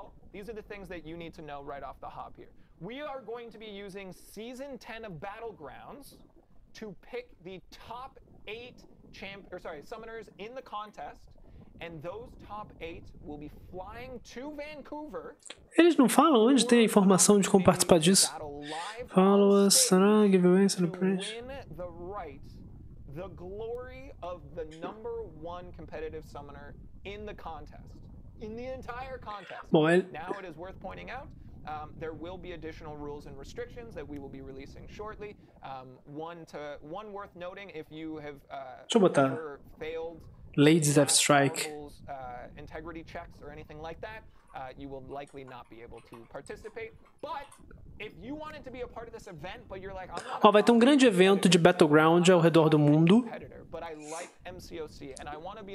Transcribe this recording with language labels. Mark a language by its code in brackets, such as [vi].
[en] These are the things that you need to know right off the hop here. We are going to be using season 10 of Battlegrounds to pick the top 8 summoners in the contest. And those top 8 will be flying to Vancouver. [pt] Eles não falam onde tem a informação de como participar disso. [en] Follow us, será, giveaway, celebrate. Win the right, the glory of the number one competitive summoner in the contest. In the entire contest. Well, now it is worth pointing out, there will be additional rules and restrictions that we will be releasing shortly. One worth noting, if you have ever failed Ladies of Strike integrity checks or anything like that, you will likely not be able to participate. But if you wanted to be a part of this event, but you're like, [pt] oh, vai ter um grande evento de Battleground ao redor do mundo. [en] But I like MCOC and I want to be